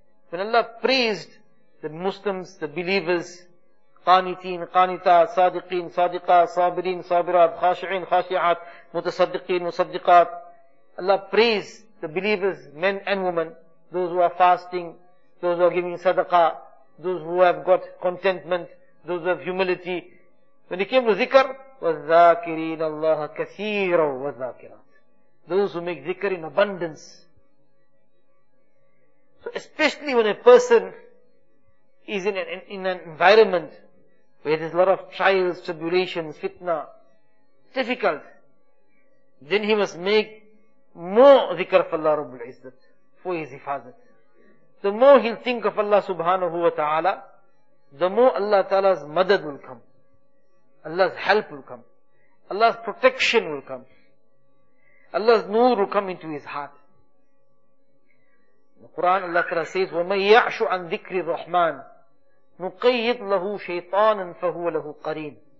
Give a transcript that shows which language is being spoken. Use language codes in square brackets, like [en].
[en] When Allah praised the Muslims, the believers, [ar] قانتين قانتا صادقين صادقا صابرين صابرات خاشعين خاشعات متصدقين مصدقات. [en] Allah praise the believers, men and women, those who are fasting, those who are giving sadaqah, those who have got contentment, those who have humility. When it came to zikr, [ar] وَذَّاكِرِينَ اللَّهَ كَثِيرًا وَذَّاكِرَاتٍ. [en] Those who make zikr in abundance. So especially when a person is in an environment where there's a lot of trials, tribulations, fitna, difficult, then he must make more zikr of Allah Rabbul Izzat for his hifazat. The more he'll think of Allah subhanahu wa ta'ala, the more Allah ta'ala's madad will come. Allah's help will come. Allah's protection will come. Allah's nur will come into his heart. In the Quran, Allah ta'ala says, [ar] وَمَنْ يَعْشُ عَنْ ذِكْرِ الرَّحْمَانِ نُقَيِّدْ لَهُ شَيْطَانًا فَهُوَ لَهُ قَرِينٌ.